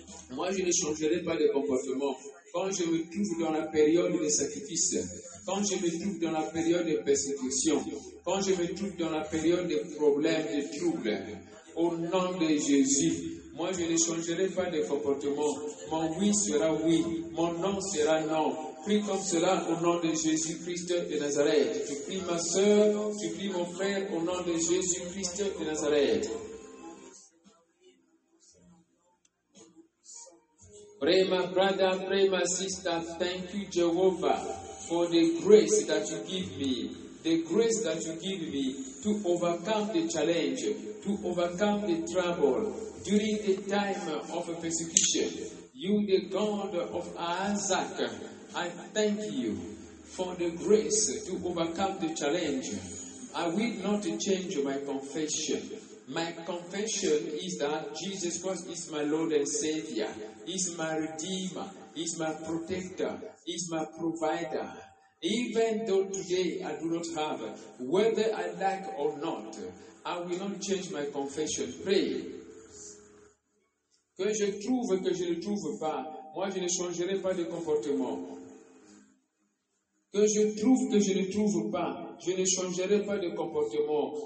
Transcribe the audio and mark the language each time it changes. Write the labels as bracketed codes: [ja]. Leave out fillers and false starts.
[fr] Moi, je ne changerai pas de comportement. Quand je me trouve dans la période de sacrifice, quand je me trouve dans la période de persécution, quand je me trouve dans la période de problèmes, de troubles, au nom de Jésus, moi, je ne changerai pas de comportement. Mon oui sera oui, mon non sera non. Prie comme cela au nom de Jésus-Christ de Nazareth. Tu pries ma soeur, tu pries mon frère au nom de Jésus-Christ de Nazareth. [en] Prema, brother, prema, sister, thank you, Jehovah, for the grace that you give me, the grace that you give me to overcome the challenge, to overcome the trouble during the time of persecution. You, the God of Isaac, I thank you for the grace to overcome the challenge. I will not change my confession. My confession is that Jesus Christ is my Lord and Savior, is my Redeemer, is my Protector, is my Provider. Even though today I do not have, whether I like or not, I will not change my confession. Pray. [fr] Que je trouve, que je ne trouve pas, moi je ne changerai pas de comportement. Que je trouve, que je ne trouve pas, je ne changerai pas de comportement.